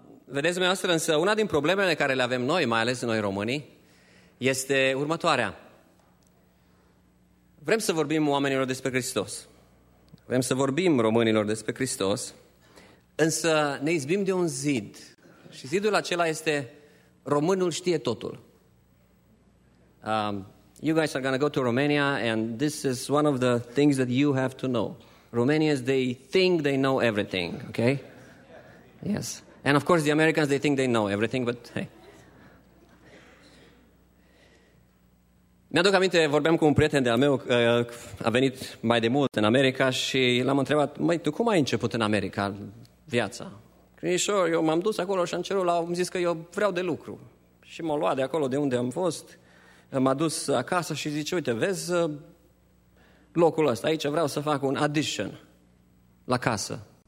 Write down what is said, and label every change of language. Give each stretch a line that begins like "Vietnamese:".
Romanian: Vedeți, dumneavoastră, însă una din problemele care le avem noi, mai ales noi românii, este următoarea. Vrem să vorbim oamenilor despre Hristos. Vrem să vorbim românilor despre Hristos, însă ne izbim de un zid. Și zidul acela este: românul știe totul.
English: You guys are going to go to Romania and this is one of the things that you have to know. Romanians, they think they know everything, okay? Yes. And of course the Americans, they think they know everything, but hey.
Romanian: Mi-aduc aminte, vorbeam cu un prieten de-al meu, a venit mai de mult în America și l-am întrebat: măi, tu cum ai început în America viața? Crișor, eu m-am dus acolo și am cerut, am zis că eu vreau de lucru. Și m-a luat de acolo de unde am fost, m-a dus acasă și zice: uite, vezi locul ăsta, aici vreau să fac un addition la casă.